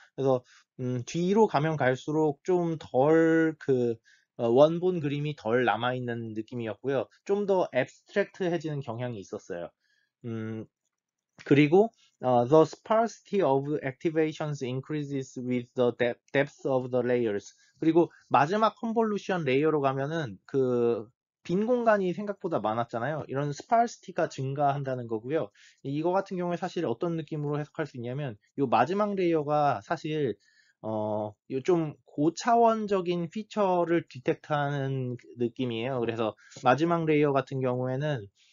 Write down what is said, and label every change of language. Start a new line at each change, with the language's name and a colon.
Korean: 그래서 뒤로 가면 갈수록 좀덜그 원본 그림이 덜 남아 있는 느낌이었고요. 좀더 abstract해지는 경향이 있었어요.
English: 그리고 the sparsity of activations increases with the depth of the layers.
Korean: 그리고 마지막 컨볼루션 레이어로 가면은 그빈 공간이 생각보다 많았잖아요. 이런 스파르시티가 증가한다는 거고요. 이거 같은 경우에 사실 어떤 느낌으로 해석할 수 있냐면 요 마지막 레이어가 사실 요좀 고차원적인 피처를 디텍트하는 느낌이에요. 그래서 마지막 레이어 같은 경우에는